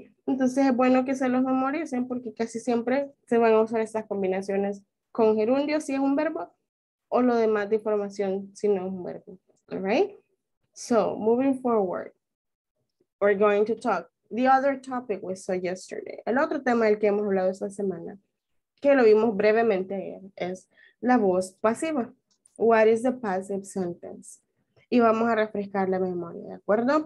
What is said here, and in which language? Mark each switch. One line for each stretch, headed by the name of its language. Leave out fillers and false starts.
Spanish: Entonces es bueno que se los memoricen porque casi siempre se van a usar estas combinaciones con gerundio si es un verbo o lo demás de información si no es un verbo, ¿alright?
English: So, moving forward, we're going to talk the other topic we saw yesterday.
Spanish: El otro tema del que hemos hablado esta semana, que lo vimos brevemente ayer, es la voz pasiva.
English: What is the passive sentence?
Spanish: Y vamos a refrescar la memoria, ¿de acuerdo?